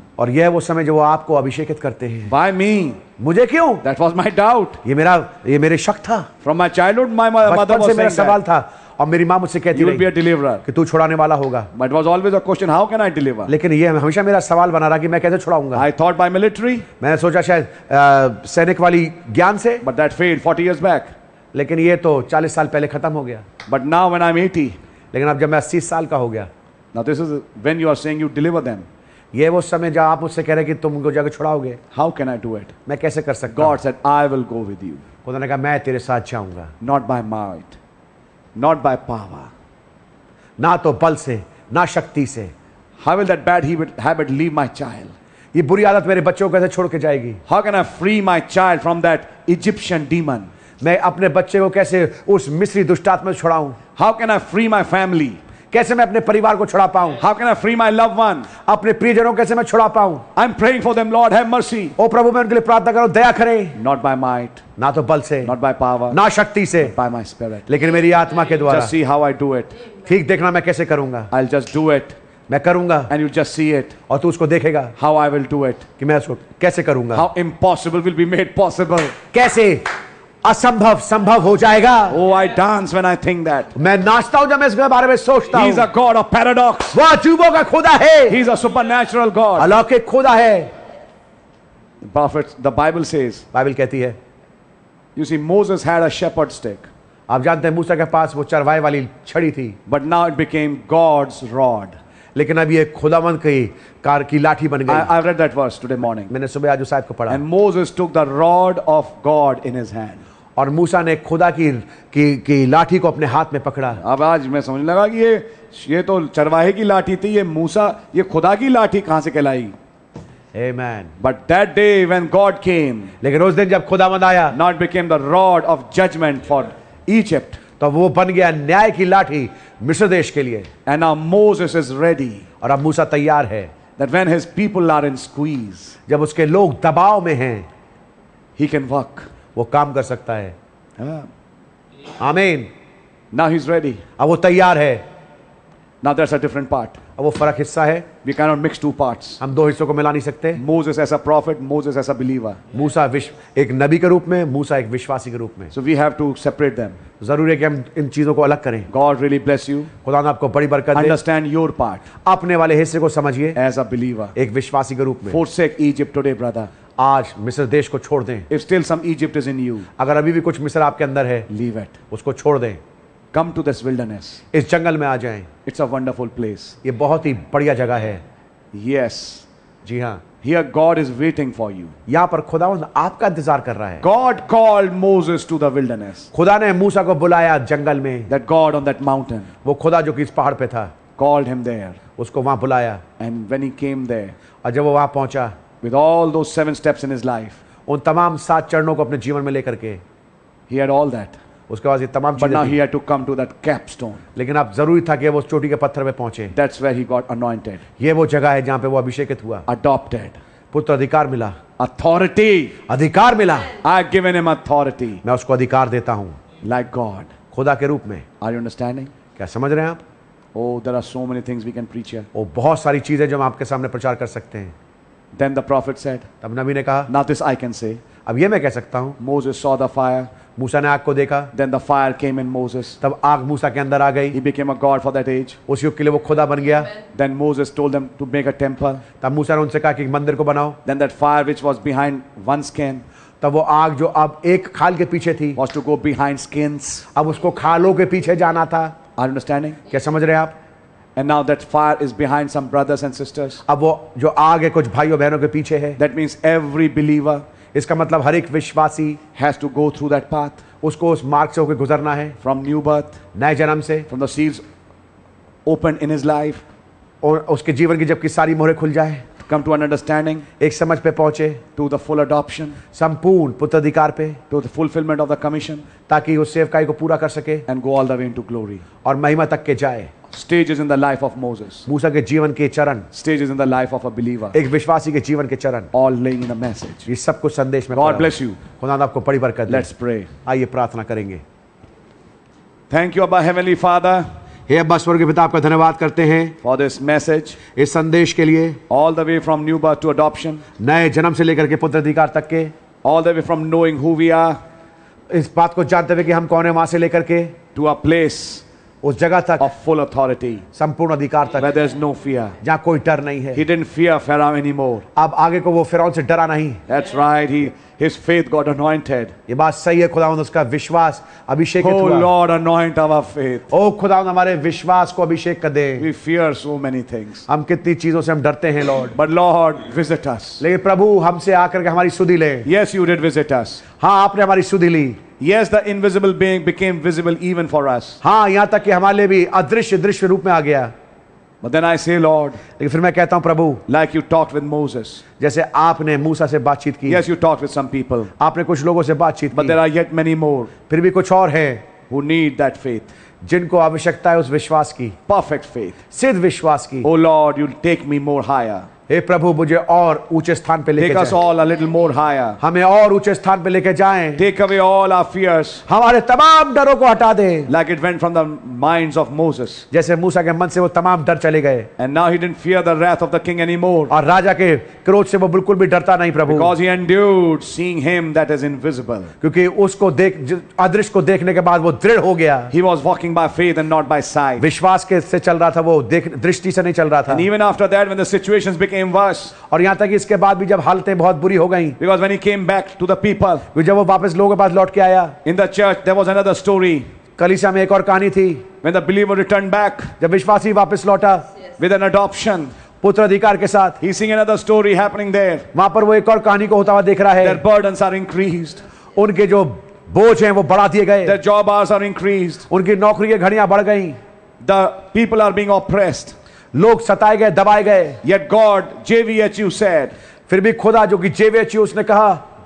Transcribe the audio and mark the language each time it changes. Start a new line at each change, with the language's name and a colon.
Hindi: और यह वो समय जब वो आपको अभिषेकित करते हैं.
English: By me.
Hindi: मुझे क्यों?
English: That was my doubt.
Hindi: ये मेरे शक था.
English: From my childhood my mother was saying.
Hindi: बचपन से मेरा सवाल था. और मेरी माँ मुझसे कहती रही,
English: be a deliverer.
Hindi: कि तू छुड़ाने वाला होगा.
English: But it was always a question, how can I deliver?
Hindi: लेकिन ये हमेशा मेरा सवाल बना रहा कि मैं कैसे छुड़ाऊंगा.
English: I thought by military.
Hindi: मैंने सोचा शायद सैनिक वाली ज्ञान से.
English: But that failed 40 years back.
Hindi: लेकिन ये तो 40 साल पहले खत्म हो गया.
English: But now when I'm 80,
Hindi: लेकिन अब जब मैं 80 साल का हो गया.
English: Now this is when you are saying you deliver them.
Hindi: ये वो समय जब आप मुझसे कह रहे कि तुम उनको जाकर छुड़ाओगे.
English: How can I do it?
Hindi: मैं कैसे कर सकता?
English: God said I will go with you.
Hindi: खुदा ने कहा मैं तेरे साथ जाऊंगा.
English: Not by might, not by power.
Hindi: ना तो बल से, ना शक्ति से.
English: How will that bad habit leave my child?
Hindi: ये बुरी आदत मेरे बच्चों को कैसे छोड़ के जाएगी?
English: How can I free my child from that Egyptian demon?
Hindi: मैं अपने बच्चे को कैसे उस मिस्री दुष्टात्मा से छुड़ाऊं?
English: How can I free my family?
Hindi: कैसे मैं अपने परिवार को छुड़ा पाऊं?
English: How can I free my loved one?
Hindi: अपने प्रियजनों कैसे मैं छुड़ा पाऊं?
English: I'm praying for them, Lord, have mercy.
Hindi: ओ प्रभु मैं उनके लिए प्रार्थना करो, दया करें.
English: Not by might.
Hindi: ना तो बल से.
English: Not by power.
Hindi: ना शक्ति से.
English: But by my spirit.
Hindi: लेकिन मेरी आत्मा के द्वारा.
English: Just see how I do it.
Hindi: ठीक देखना मैं कैसे करूंगा.
English: I'll just do it.
Hindi: मैं करूंगा.
English: And you just see it.
Hindi: और तू उसको देखेगा.
English: How I will do it.
Hindi: कि मैं उसको कैसे करूंगा.
English: How impossible will be made possible.
Hindi: कैसे असंभव संभव हो जाएगा.
English: Oh, I dance when I think that.
Hindi: मैं नाचता हूं जब मैं इसके बारे में सोचता हूं.
English: He is a God of paradox.
Hindi: वह अजूबों का खुदा है.
English: He is a supernatural God.
Hindi: अलौकिक खुदा है.
English: The Bible says.
Hindi: बाइबल कहती है.
English: You see, Moses had a shepherd stick.
Hindi: आप जानते हैं मूसा के पास वो चरवाई वाली छड़ी थी.
English: But now it became God's rod.
Hindi: लेकिन अब ये खुदावंद की कार की लाठी बन गई.
English: I read that verse today morning.
Hindi: मैंने सुबह आज उस आयत को पढ़ा.
English: And Moses took the rod of God in his hand.
Hindi: और मूसा ने खुदा की लाठी को अपने हाथ में पकड़ा. अब आज मैं समझने लगा कि ये तो चरवाहे की लाठी थी, ये मूसा ये खुदा की लाठी कहां से कहलाई.
English: Amen. But that day when God came.
Hindi: लेकिन उस दिन जब खुदावंद आया.
English: Not became the rod of judgment for Egypt.
Hindi: तो वो बन गया न्याय की लाठी मिस्र देश के लिए.
English: And now Moses is ready.
Hindi: और अब मूसा तैयार है.
English: That when his people are in squeeze.
Hindi: जब उसके लोग दबाव में हैं.
English: He can work.
Hindi: वो काम कर सकता है. आमीन.
English: Now he's ready.
Hindi: अब वो तैयार है.
English: Now there's a different part.
Hindi: अब वो फर्क हिस्सा है.
English: We cannot mix two parts.
Hindi: हम दो हिस्सों को मिला नहीं सकते.
English: Moses as a prophet, Moses as a believer.
Hindi: मूसा एक नबी के रूप में, मूसा एक विश्वासी के रूप में.
English: So we have to separate them.
Hindi: जरूरी है कि हम इन चीजों को अलग करें.
English: God really bless you.
Hindi: खुदा ने आपको बड़ी बरकत दे.
English: Understand your part.
Hindi: अपने वाले हिस्से को समझिए.
English: As a believer.
Hindi: एक विश्वासी के रूप में.
English: Forsake Egypt today, brother.
Hindi: आज मिस्र देश को छोड़ दें.
English: If still some Egypt is in you.
Hindi: अगर अभी भी कुछ मिस्र आपके अंदर है.
English: Leave it.
Hindi: उसको छोड़ दें.
English: Come to this wilderness.
Hindi: इस जंगल में आ जाएं.
English: It's a wonderful place.
Hindi: ये बहुत ही बढ़िया जगह है.
English: Yes.
Hindi: जी हाँ.
English: Here God is waiting for you.
Hindi: यहाँ पर खुदावंद आपका इंतजार कर रहा है.
English: God called Moses to the wilderness.
Hindi: खुदा ने मूसा को बुलाया जंगल में.
English: That God on that mountain.
Hindi: वो खुदा जो कि इस पहाड़ पे था.
English: Called him there.
Hindi: उसको वहाँ बुलाया.
English: And when he came there.
Hindi: और जब वो वहाँ पहुँचा.
English: With all those seven steps in his life.
Hindi: उन तमाम सात चरणों को अपने जीवन में लेकर के.
English: He had all that.
Hindi: उसके बाद ये तमाम चीजें.
English: He had to come to that capstone.
Hindi: लेकिन अब जरूरी था कि वो चोटी के पत्थर में पहुंचे.
English: That's where he got anointed.
Hindi: ये वो जगह है जहां पे वो अभिषेकित हुआ.
English: Adopted.
Hindi: पुत्र अधिकार मिला.
English: Authority.
Hindi: अधिकार मिला.
English: I have given him authority.
Hindi: मैं उसको अधिकार देता हूं.
English: Like God.
Hindi: खुदा के रूप में.
English: Are you understanding?
Hindi: क्या समझ रहे हैं आप?
English: Oh, there are so many things we can preach here.
Hindi: ओ बहुत सारी चीजें जो हम आपके सामने प्रचार कर सकते हैं.
English: Then the prophet said.
Hindi: तब नबी ने कहा.
English: Now this I can say.
Hindi: अब ये मैं कह सकता हूं.
English: Moses saw the fire.
Hindi: मूसा ने आग को देखा.
English: Then the fire came in Moses.
Hindi: तब आग मूसा के अंदर आ गई.
English: He became a god for that age.
Hindi: उस युग के लिए वो खुदा बन गया.
English: Then Moses told them to make a temple.
Hindi: तब मूसा ने उनसे कहा कि एक मंदिर को बनाओ.
English: Then that fire which was behind one skin.
Hindi: तब वो आग जो अब एक खाल के पीछे थी.
English: Was to go behind skins.
Hindi: अब उसको खालों के पीछे जाना था.
English: Are you understanding?
Hindi: क्या समझ रहे हैं आप?
English: And now that fire is behind some brothers and sisters.
Hindi: अब वो जो आग है कुछ भाइयों बहनों के पीछे है.
English: That means every believer.
Hindi: इसका मतलब हर एक विश्वासी
English: has to go through that path.
Hindi: उसको उस मार्ग से होकर गुजरना है.
English: From new birth.
Hindi: नए जन्म से.
English: From the seals opened in his life.
Hindi: और उसके जीवन की जबकि सारी मोहरें खुल जाए.
English: Come to an understanding.
Hindi: एक समझ पे पहुंचे.
English: To the full adoption.
Hindi: संपूर्ण पुत्र अधिकार पे.
English: To the fulfillment of the commission.
Hindi: ताकि उस सेवकाई को पूरा कर सके.
English: And go all the way into glory.
Hindi: और महिमा तक के जाए.
English: Stages in the life of Moses.
Hindi: मूसा के जीवन के चरण.
English: Stages in the life of a believer.
Hindi: एक विश्वासी के जीवन के चरण.
English: All laying in the message.
Hindi: ये सब कुछ संदेश में.
English: God bless you.
Hindi: खुदा आपको बड़ी बरकत दे.
English: Let's pray.
Hindi: आइए प्रार्थना करेंगे.
English: Thank you, Abba Heavenly Father.
Hindi: हे अब्बा स्वर्ग के पिता, आपका धन्यवाद करते हैं.
English: For this message.
Hindi: इस संदेश के लिए.
English: All the way from new birth to adoption.
Hindi: नए जन्म से लेकर के पुत्र अधिकार तक के.
English: All the way from knowing who we are.
Hindi: इस बात को जानते हुए कि हम कौन हैं वहां से लेकर के.
English: To a place.
Hindi: उस जगह तक
English: of full authority,
Hindi: संपूर्ण अधिकार तक,
English: where there's no fear,
Hindi: जहाँ कोई डर नहीं है.
English: He didn't fear Pharaoh anymore.
Hindi: अब आगे को वो फिरौन से डरा नहीं.
English: That's right. His faith got anointed.
Hindi: ये बात सही है. खुदावंद उसका विश्वास अभिषेक हुआ.
English: Oh Lord, anoint our faith.
Hindi: ओ खुदावंद हमारे विश्वास को अभिषेक कर दे.
English: We fear so many things.
Hindi: हम कितनी चीजों से हम डरते हैं, Lord.
English: But Lord, visit us.
Hindi: लेकिन प्रभु हमसे आकर के हमारी सुधि ले.
English: Yes, you did visit us.
Hindi: हाँ, आपने हमारी सुधि ली.
English: Yes, the invisible being became visible even for us.
Hindi: हाँ, यहाँ तक कि हमारे लिए भी अदृश्य दृश्य रूप में आ गया.
English: But then I say, Lord.
Hindi: लेकिन फिर मैं कहता हूँ प्रभु.
English: Like you talked with Moses.
Hindi: जैसे आपने मूसा से बातचीत की.
English: Yes, you talked with some people.
Hindi: आपने कुछ लोगों से बातचीत की.
English: But there are yet many more.
Hindi: फिर भी कुछ और हैं.
English: Who need that faith.
Hindi: जिनको आवश्यकता है उस विश्वास की.
English: Perfect faith.
Hindi: सिद्ध विश्वास की.
English: Oh Lord, you'll take me more higher.
Hindi: हे प्रभु, मुझे और ऊंचे स्थान पे लेके जाएं.
English: Take us all a little more higher.
Hindi: हमें और ऊंचे स्थान पे लेके जाएं.
English: Take away all our fears.
Hindi: हमारे तमाम डरों को हटा दें.
English: Like it went from the minds of Moses.
Hindi: जैसे मूसा के मन से वो तमाम डर चले गए.
English: And now he didn't fear the wrath of the king anymore.
Hindi: और राजा के क्रोध से वो बिल्कुल भी डरता नहीं प्रभु.
English: Because he endured seeing him that is invisible.
Hindi: क्योंकि उसको देख अदृश्य को देखने के बाद वो दृढ़ हो गया.
English: He was walking by faith and not by sight.
Hindi: विश्वास के से चल रहा था वो, दृष्टि से नहीं चल रहा था.
English: And even after that, when the situations became
Hindi: और यहां तक इसके बाद भी जब हालतें बहुत बुरी हो गईं,
English: because when he came back to the people,
Hindi: जब वो वापस लोगों के पास लौट के आया,
English: in the church there was another story,
Hindi: कलीसिया में एक और कहानी थी,
English: when the believer returned back,
Hindi: जब विश्वासी वापस लौटा,
English: with an adoption.
Hindi: पुत्र अधिकार के साथ,
English: he's seeing another story happening there.
Hindi: वहां पर वो एक और कहानी को होता हुआ देख रहा है.
English: Their burdens are increased.
Hindi: उनके जो बोझ हैं वो बढ़ा दिए गए.
English: Their job hours are increased.
Hindi: उनकी नौकरी की घड़ियां बढ़ गईं.
English: The people are being oppressed.
Hindi: लोग सताए गए, दबाए गए.
English: Yet God, JVHU said,
Hindi: फिर भी खुदा जो कि JVHU उसने कहा,